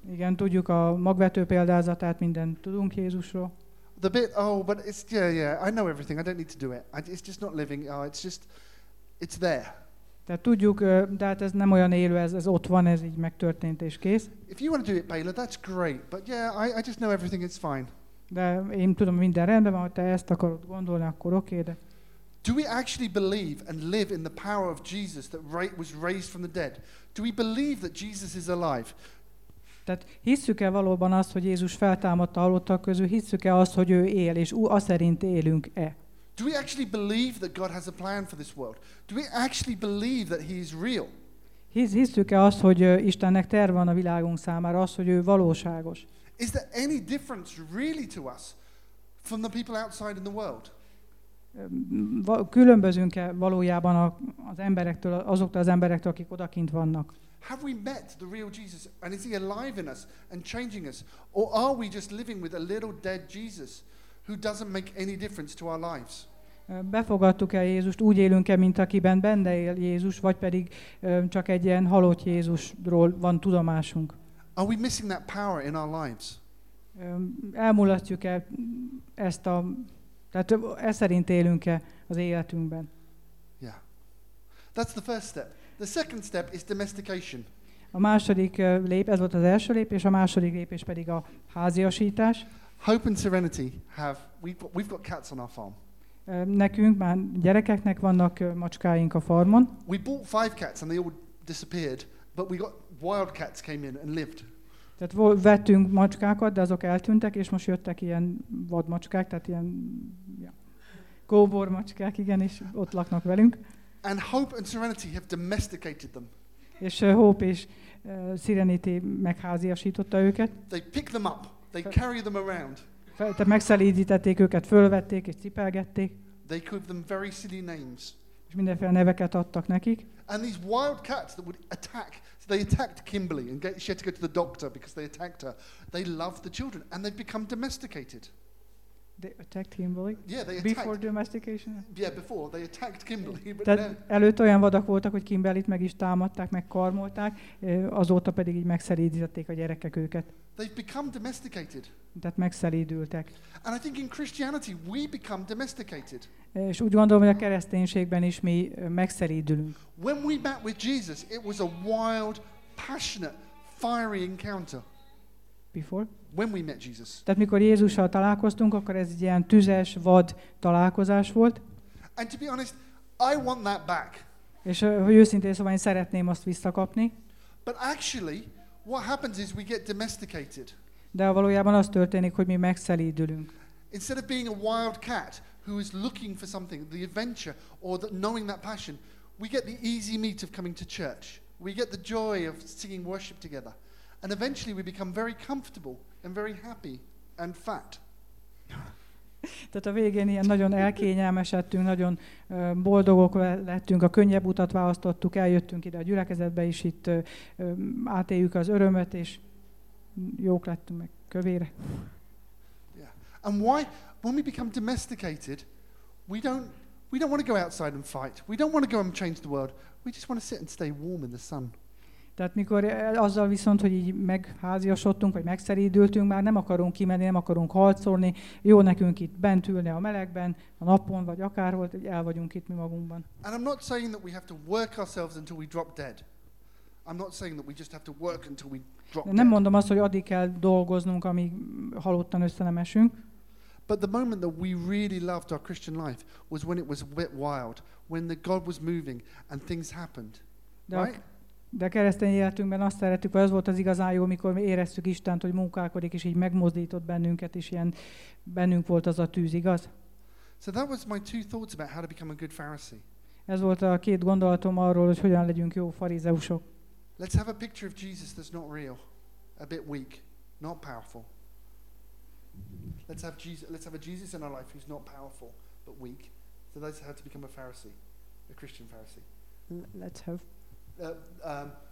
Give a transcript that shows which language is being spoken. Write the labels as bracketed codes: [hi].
[hu] Igen, tudjuk a magvető példázatát, minden tudunk Jézusról. [en] The bit, oh, but it's, yeah, I know everything. I don't need to do it. It's just not living. Oh, it's there. [hu] Tehát tudjuk, de hát ez nem olyan élő, ez ott van, ez így megtörtént és kész. [en] If you want to do it, Baylor, that's great. But yeah, I just know everything, it's fine. [hu] De én tudom, minden rendben van, hogy te ezt akarod gondolni, akkor oké, de... [en] Do we actually believe and live in the power of Jesus that was raised from the dead? Do we believe that Jesus is alive? [hu] Tehát hisszük-e valóban azt, hogy Jézus feltámadta a halottak közül? Hisszük-e azt, hogy ő él, és aszerint élünk-e? [en] Do we actually believe that God has a plan for this world? Do we actually believe that He is real? [hu] Hisszük-e azt, hogy Istennek terve van a világunk számára, azt, hogy ő valóságos? [en] Is there any difference really to us from the people outside in the world? [hu] Különbözünk-e valójában az emberektől, azoktól az emberektől, akik odakint vannak? [en] Have we met the real Jesus and is He alive in us and changing us, or are we just living with a little dead Jesus who doesn't make any difference to our lives? [hu] Befogadtuk-e Jézust, úgy élünk-e, mint akiben benne él Jézus, vagy pedig csak egy ilyen halott Jézusról van tudomásunk? [en] Are we missing that power in our lives? [hu] Elmulasztjuk-e ezt a, tehát ez szerint élünk-e az életünkben? [en] Yeah. That's the first step. The second step is domestication. [hu] A második lépés, ez volt az első lépés, a második lépés pedig a háziasítás. [en] Hope and Serenity have, we've got cats on our farm. [hu] Nekünk már gyerekeknek vannak macskáink a farmon. [en] We bought 5 cats and they all disappeared, but we got wild cats came in and lived. [hu] Tehát vettünk macskákat, de azok eltűntek, és most jöttek ilyen vadmacskák, tehát ilyen kóbor macskák, igen, és ott laknak velünk. [en] And Hope and Serenity have domesticated them. [hu] És Hope és Serenity megháziasította őket. [en] They pick them up. They carry them around. [hu] Tehát megszelídítették őket, fölvették és cipelgették. [en] They gave them very silly names. [hu] És mindenféle neveket adtak nekik. [en] And these wild cats that would attack, so they attacked Kimberly and she had to go to the doctor because they attacked her. They loved the children and they'd become domesticated. They attacked Kimberly? Yeah, they before attacked. Before domestication? Yeah, before. They attacked Kimberly. [hu] Tehát előtt olyan vadak voltak, hogy Kimberlyt meg is támadták, meg karmolták, azóta pedig így megszelídítették a gyerekek őket. [en] They've become domesticated. [hu] Tehát megszelídültek. [en] And I think in Christianity we become domesticated. [hu] És úgy gondolom, hogy a kereszténységben is mi megszelídülünk. [en] When we met with Jesus, it was a wild, passionate, fiery encounter. Before? When we met Jesus. [hu] Tehát mikor Jézussal találkoztunk, akkor ez egy ilyen tüzes, vad találkozás volt. [en] And to be honest, I want that back. [hu] És hogy őszintén szóval én szeretném azt visszakapni. [en] But actually, what happens is we get domesticated. [hu] De valójában az történik, hogy mi megszelídülünk. [en] Instead of being a wild cat who is looking for something, the adventure, or the, knowing that passion, we get the easy meat of coming to church. We get the joy of singing worship together. And eventually we become very comfortable and very happy and fat. [hu] Tehát a végén ilyen nagyon elkényelmesedtünk, nagyon boldogok lettünk, a könnyebb utat választottuk, eljöttünk ide a gyülekezetbe, és itt átéljük az örömet, és jók lettünk meg kövére. [en] Yeah. And why, when we become domesticated, we don't want to go outside and fight. We don't want to go and change the world. We just want to sit and stay warm in the sun. [hu] Tehát mikor azzal viszont, hogy így megháziasodtunk, vagy megszerédültünk, már nem akarunk kimenni, nem akarunk harcolni, jó nekünk itt bent ülni a melegben, a napon, vagy akárhol, hogy el vagyunk itt mi magunkban. [en] And I'm not saying that we have to work ourselves until we drop dead. I'm not saying that we just have to work until we drop dead. [hu] Nem mondom azt, hogy addig kell dolgoznunk, amíg halottan össze nem esünk. [en] But the moment that we really loved our Christian life was when it was a bit wild, when the God was moving and things happened. Right? [hu] De a keresztény életünkben azt szerettük, hogy az volt az igazán jó, mikor mi éreztük Istent, hogy munkálkodik, és így megmozdított bennünket, és ilyen bennünk volt az a tűz, igaz? [en] So that was my two thoughts about how to become a good Pharisee. [hu] Ez volt a két gondolatom arról, hogy hogyan legyünk jó farizeusok. [en] Let's have a picture of Jesus that's not real, a bit weak, not powerful. Let's have a Jesus in our life who's not powerful, but weak. So that's how to become a Pharisee, a Christian Pharisee.